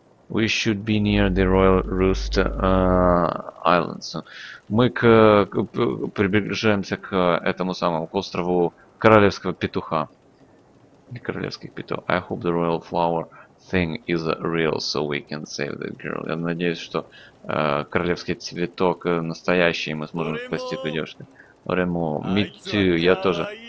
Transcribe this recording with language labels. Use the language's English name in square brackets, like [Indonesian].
[English] We should be near the Royal Roost Island. [Russian] So, мы приближаемся к этому самому, к острову королевского петуха. Королевских петух. [English] I hope the royal flower thing is real, so we can save that girl. [Russian] Я надеюсь, что королевский цветок настоящий, мы сможем спасти эту девушку. Ремо, [English] me too, [Russian] я тоже.